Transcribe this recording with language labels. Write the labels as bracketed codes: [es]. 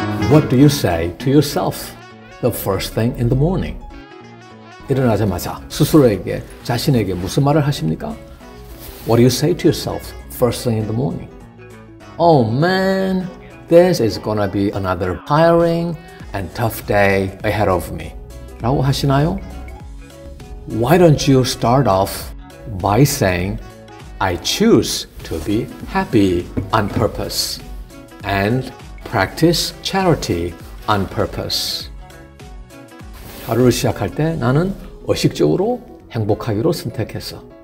[en] What do you say to yourself the first thing in the morning? [ko] 일어나자마자 스스로에게 자신에게 무슨 말을 하십니까? [en] What do you say to yourself first thing in the morning? Oh man, this is gonna be another tiring and tough day ahead of me. [ko] 라고 하시나요? [en] Why don't you start off by saying, I choose to be happy on purpose and practice charity on purpose. [ko] 하루를 시작할 때 나는 의식적으로 행복하기로 선택했어.